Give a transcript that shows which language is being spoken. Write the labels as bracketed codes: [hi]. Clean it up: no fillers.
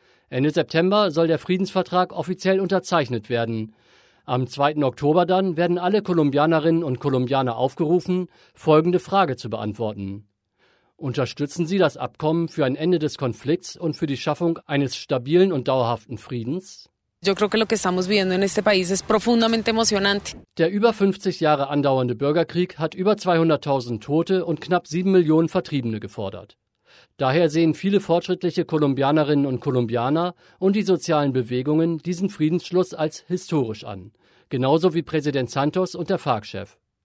[de] Ende September soll der Friedensvertrag offiziell unterzeichnet werden. Am 2. Oktober dann werden alle Kolumbianerinnen und Kolumbianer aufgerufen, folgende Frage zu beantworten. Unterstützen Sie das Abkommen für ein Ende des Konflikts und für die Schaffung eines stabilen und dauerhaften Friedens? [es] Yo creo que lo que estamos viviendo en este país es profundamente emocionante. [de] Der über 50 Jahre andauernde Bürgerkrieg hat über 200.000 Tote und knapp 7 Millionen Vertriebene gefordert. Daher sehen viele fortschrittliche Kolumbianerinnen und Kolumbianer und die sozialen Bewegungen diesen Friedensschluss als historisch an, genauso wie Präsident Santos und der FARC-Chef.